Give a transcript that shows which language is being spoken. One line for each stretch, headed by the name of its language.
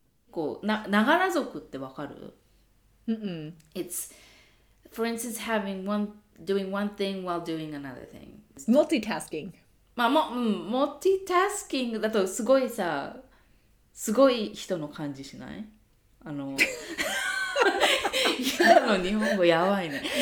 Japanese: こう、ながら族ってわかる？
English: It's... For instance, doing one thing while doing another thing. Multitasking.
Japanese: まあ、multitasking だとすごいさ、すごい人の感じしない？あの、今の日本語やばいね。